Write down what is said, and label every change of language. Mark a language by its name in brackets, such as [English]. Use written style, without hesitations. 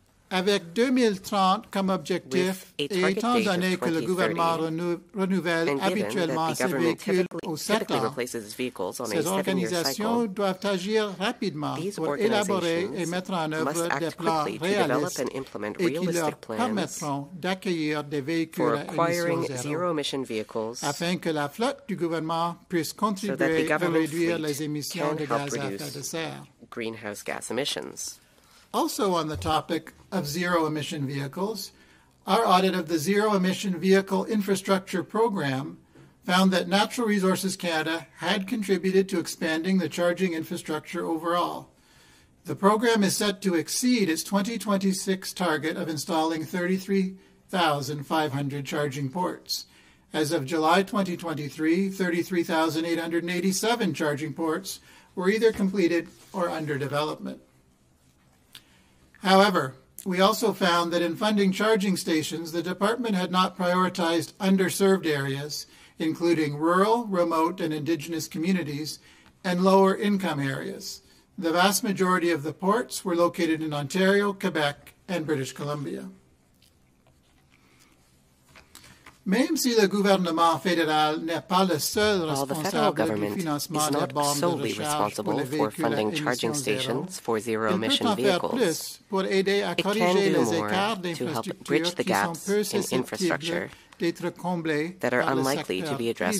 [French] Avec 2030 comme objectif et étant donné que le gouvernement renouvelle habituellement ses véhicules aux 7 ans, ces organisations doivent agir rapidement pour élaborer et mettre en œuvre des plans réalistes et qui leur permettront d'acquérir des véhicules à émission zéro afin que la flotte du gouvernement puisse contribuer à réduire les émissions de gaz à effet de serre. [English] Greenhouse gas emissions. Also on the topic of zero-emission vehicles, our audit of the Zero-Emission Vehicle Infrastructure Program found that Natural Resources Canada had contributed to expanding the charging infrastructure overall. The program is set to exceed its 2026 target of installing 33,500 charging ports. As of July 2023, 33,887 charging ports were either completed or under development. However, we also found that in funding charging stations, the department had not prioritized underserved areas, including rural, remote, and Indigenous communities, and lower-income areas. The vast majority of the ports were located in Ontario, Quebec, and British Columbia. [French] Même si le gouvernement fédéral n'est pas le seul responsable du financement des bornes de recharge pour les véhicules à émission zéro, il peut en faire plus pour aider à corriger les écarts d'infrastructure qui sont peu susceptibles d'être comblés par le secteur privé.